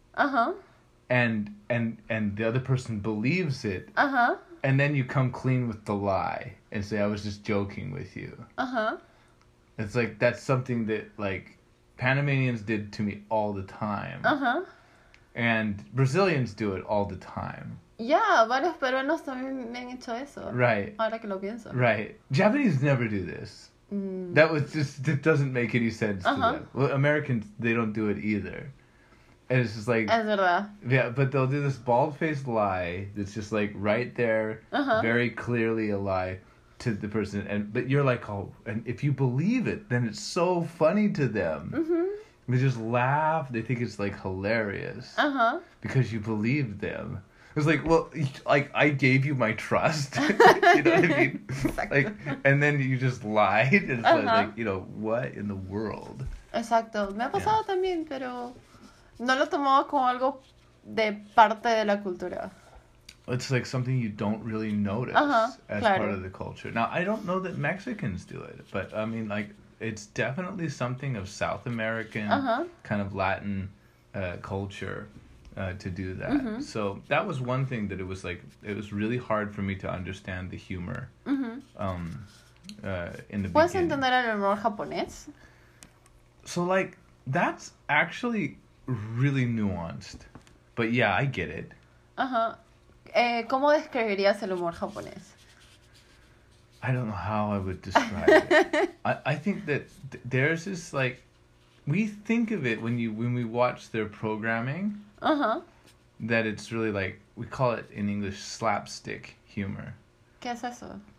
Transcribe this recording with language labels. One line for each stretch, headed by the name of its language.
English: And the other person believes it. And then you come clean with the lie and say, I was just joking with you. It's like, that's something that, like, Panamanians did to me all the time. And Brazilians do it all the time.
Spanish: Yeah, varios peruanos también me han hecho eso.
English: Right.
Spanish: Ahora que lo pienso.
English: Right. Japanese never do this. That was just, it doesn't make any sense to them. Well, Americans, they don't do it either. And it's just like...
Spanish: Es verdad.
English: Yeah, but they'll do this bald-faced lie that's just like right there, very clearly a lie to the person. And but you're like, oh, and if you believe it, then it's so funny to them. They just laugh. They think it's like hilarious. Because you believe them. It's like, well, like, I gave you my trust. You know what I mean? Exactly. Like, and then you just lied. And it's like, you know, what in the world?
Spanish: Exacto. Me ha pasado también, pero... No lo tomaba como algo de parte de la cultura.
English: It's like something you don't really notice part of the culture. Now, I don't know that Mexicans do it, but I mean, like, it's definitely something of South American kind of Latin culture to do that. So that was one thing that it was like, it was really hard for me to understand the humor in the
Spanish: ¿Puedes
English: beginning.
Spanish: ¿Puedes entender el humor japonés?
English: So, like, that's actually... really nuanced. But yeah, I get it.
Spanish: ¿Cómo describirías el humor japonés?
English: I don't know how I would describe it. I think that theirs is like... We think of it when we watch their programming. That it's really like... We call it in English slapstick humor.
Spanish: ¿Qué es eso?